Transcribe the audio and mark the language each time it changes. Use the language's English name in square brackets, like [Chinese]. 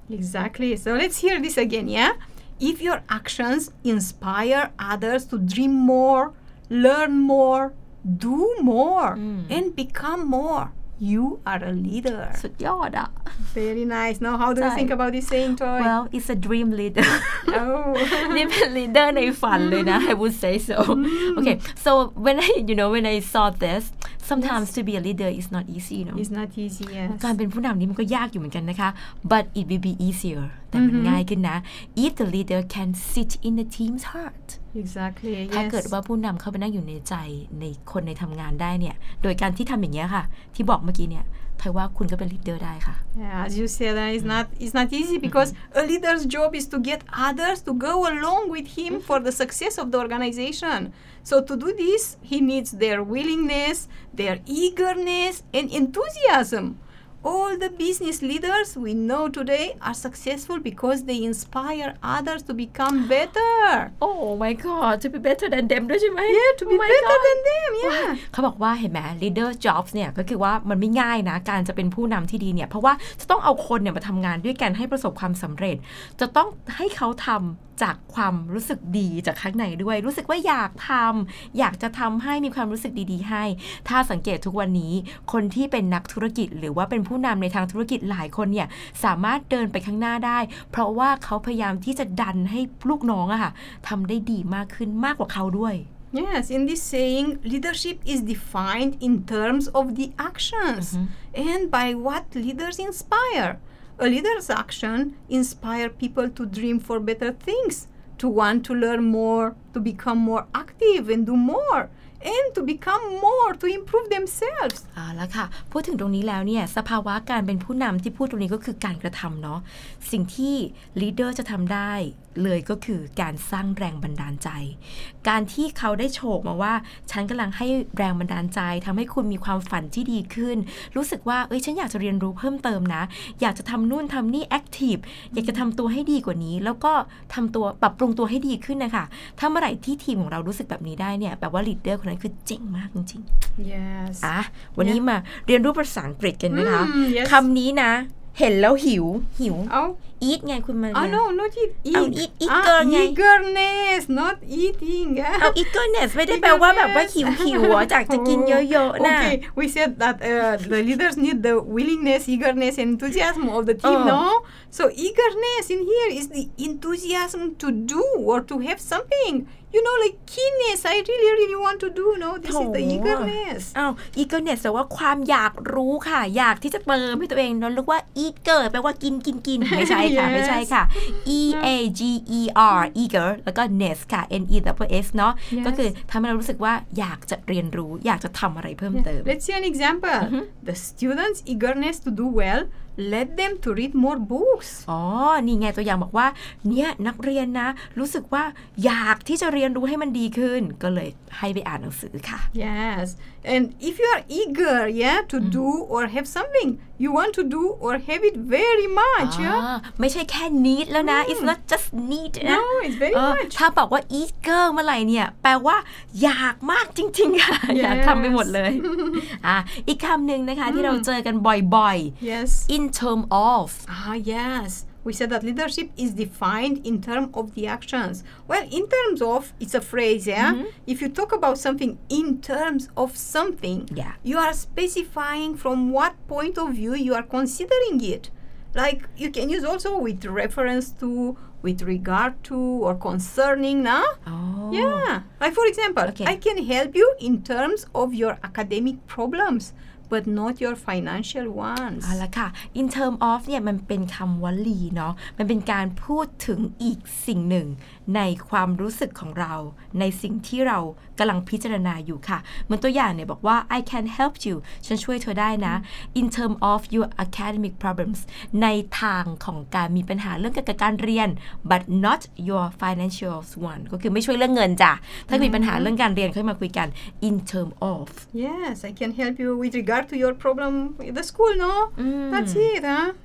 [English] Exactly. So let's hear this again, yeah? If your actions inspire others to dream more,Learn more, do more, and become more. you are a leader. [Thai] สุดยอดอ่ะ [English] Very nice. Now how do you think about this saying, Toy? Well, it's a dream leader. Oh. [Thai] นี่เป็น leader ในฝันเลยนะ [English] I would say so. Okay. So when I, you know, when I saw this, sometimes to be a leader is not easy, you know. It's not easy, yes. [Thai] การเป็นผู้นำนี่มันก็ยากอยู่เหมือนกันนะคะ [English] But it will be easier. [Thai] แต่มันง่ายขึ้นนะ [English] If the leader can sit in the team's heart. Exactly. Yes. [Thai] ถ้าเกิดว่าผู้นำเข้าไปนั่งอยู่ในใจในคนในทำงานได้เนี่ยโดยการที่ทำอย่างเงี้ยค่ะที่บอกเมื่อกี้เนี่ยถือว่าคุณก็เป็นลีดเดอร์ได้ค่ะ [English] Yeah, as you said, it's not easy because a leader's job is to get others to go along with him for the success of the organization. So to do this, he needs their willingness, their eagerness, and enthusiasm. All the business leaders we know today are successful because they inspire others to become better. Oh my God, to be better than them, right? Yeah, to be better than them, yeah. [Thai] เขาบอกว่าเห็นไหม leader jobs เนี่ยก็คือว่ามันไม่ง่ายนะการจะเป็นผู้นำที่ดีเนี่ยเพราะว่าจะต้องเอาคนเนี่ยมาทำงานด้วยกันให้ประสบความสำเร็จจะต้องให้เขาทำจากความรู้สึกดีจากข้างในด้วยรู้สึกว่าอยากทำอยากจะทำให้มีความรู้สึกดีๆให้ถ้าสังเกตทุกวันนี้คนที่เป็นนักธุรกิจหรือว่าเป็นผู้นำในทางธุรกิจหลายคนเนี่ยสามารถเดินไปข้างหน้าได้เพราะว่าเขาพยายามที่จะดันให้ลูกน้องอะค่ะทำได้ดีมากขึ้นมากกว่าเขาด้วย [English] Yes in this saying leadership is defined in terms of the actions and by what leaders inspireA leader's action inspires people to dream for better things, to want to learn more, to become more active and do more, and to become more, to improve themselves. [Thai] อ่าล่ะค่ะพูดถึงตรงนี้แล้วเนี่ยสภาวะการเป็นผู้นำที่พูดตรงนี้ก็คือการกระทำเนาะสิ่งที่ leader จะทำได้เลยก็คือการสร้างแรงบันดาลใจการที่เขาได้โชคมาว่าฉันกำลังให้แรงบันดาลใจทำให้คุณมีความฝันที่ดีขึ้นรู้สึกว่าเอ้ยฉันอยากจะเรียนรู้เพิ่มเติมนะอยากจะทำนู่นทำนี่แอคทีฟอยากจะทำตัวให้ดีกว่านี้แล้วก็ทำตัวปรับปรุงตัวให้ดีขึ้นนะคะถ้าเมื่อไหร่ที่ทีมของเรารู้สึกแบบนี้ได้เนี่ยแบบว่า leader คนนั้นคือเจ๋งมากจริง [English] ๆ Yes [Thai] อ่ะวันนี้มาเรียนรู้ภาษาอังกฤษกันนะคะ [English] yes. [Thai] คำนี้นะเห็นแล้วหิวหิว เอา eat ไงคุณมาเรีย [English] น oh no not eat eat eager ไง eagerness not eating [Thai] เอา eagerness ไม่ได้แปลว่าแบบว่าหิวหิวอ่ะจากจะกินเยอะๆนะ [English] okay we said that the leaders need the willingness eagerness and enthusiasm of the team no so eagerness in here is the enthusiasm to do or to have somethingYou know, like keenness. I really, really want to do. No, this is the eagerness. [Thai] อ้าว eagerness แปลว่าความอยากรู้ค่ะอยากที่จะเติมให้ตัวเองนั่นเรียกว่า eager แปลว่ากินกินกินไม่ใช่ค่ะไม่ใช่ค่ะ e a g e r eager แล้วก็ ness ค่ะ n e w s เนาะก็คือทำให้เรารู้สึกว่าอยากจะเรียนรู้อยากจะทำอะไรเพิ่มเติม [English] Let's see an example. The students' eagerness to do well. Let them to read more books. [Thai] Oh, นี่ไงตัวอย่างบอกว่าเนี่ยนักเรียนนะรู้สึกว่าอยากที่จะเรียนรู้ให้มันดีขึ้นก็เลยให้ไปอ่านหนังสือค่ะ [English] Yes. And if you are eager, yeah, to do or have something, you want to do or have it very much, yeah? [Thai] ไม่ใช่แค่ need แล้วนะ [English] It's not just need. No, it's very much. [Thai] ถ้าบอกว่า eager เมื่อไหร่เนี่ยแปลว่าอยากมากจริงๆค่ะ [English] yes. [Thai] อยากทำไปหมดเลย อีกคำหนึ่งนะคะที่เราเจอกันบ่อยๆ [English] Yes. In term of. Yes. We said that leadership is defined in terms of the actions. Well, in terms of, it's a phrase, yeah? Mm-hmm. If you talk about something in terms of something, yeah. you are specifying from what point of view you are considering it. Like, you can use also with reference to, with regard to, or concerning, no? Oh. Yeah. Like, for example, okay. I can help you in terms of your academic problems. But not your financial ones. [Thai] อ่ะละค่ะ In term of เนี่ยมันเป็นคำวลีเนาะมันเป็นการพูดถึงอีกสิ่งหนึ่งในความรู้สึกของเราในสิ่งที่เรากำลังพิจารณาอยู่ค่ะเหมือนตัวอย่างเนี่ยบอกว่า [English] I can help you [Thai] ฉันช่วยเธอได้นะ [English] In term of your academic problems [Thai] ในทางของการมีปัญหาเรื่องการเรียน [English] But not your financial ones [Thai] ก็คือไม่ช่วยเรื่องเงินจ้ะถ้ามีปัญหาเรื่องการเรียนค่อยมาคุยกัน In term of [English] Yes I can help you with regard to your problem the school no That's it huh